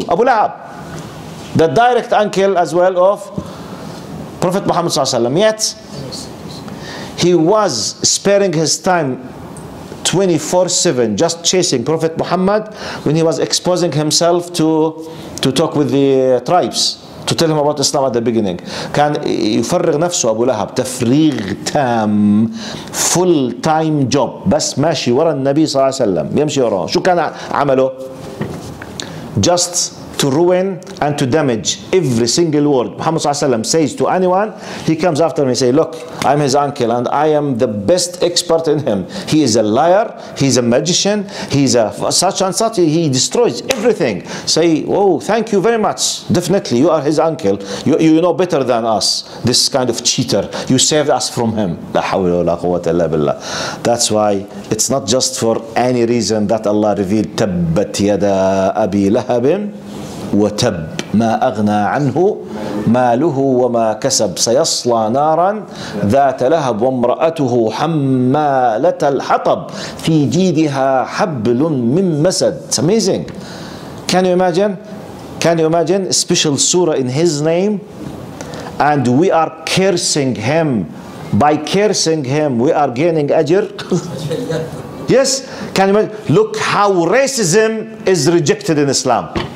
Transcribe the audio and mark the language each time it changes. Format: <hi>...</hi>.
<en>Abu Lahab, the direct uncle as well of Prophet Muhammad sallallahu alaihi wasallam, yet he was sparing his time 24/7 just chasing Prophet Muhammad when he was exposing himself to talk with the tribes to tell him about Islam at the beginning.</en> <ar>كان يفرغ نفسه أبو لهب تفريغ تام</ar> <en>full time job</en> <ar>بس ماشي ورا النبي صلى الله عليه وسلم يمشي وراه. شو كان عمله؟</ar> <en>Just to ruin and to damage every single word Muhammad sallallahu alaihi wasallam says to anyone, he comes after me and say, look, I'm his uncle and I am the best expert in him. He is a liar, he's a magician, he's a such and such, he destroys everything. Say, oh, thank you very much. Definitely, you are his uncle. You know better than us, this kind of cheater. You saved us from him.</en> <ar>La hawla wala quwwata illa billah.</ar> <en>That's why it's not just for any reason that Allah revealed</en> <ar>tabbat yada abi lahabin. وتب ما أغنى عنه ماله وما كسب سيصلى نارا ذات لهب وامرأته حمالة الحطب في جيدها حبل من مسد.</ar> <en>It's amazing. Can you imagine a special surah in his name and we are cursing him. By cursing him we are gaining أجر. Yes, can you imagine? Look how racism is rejected in Islam.</en>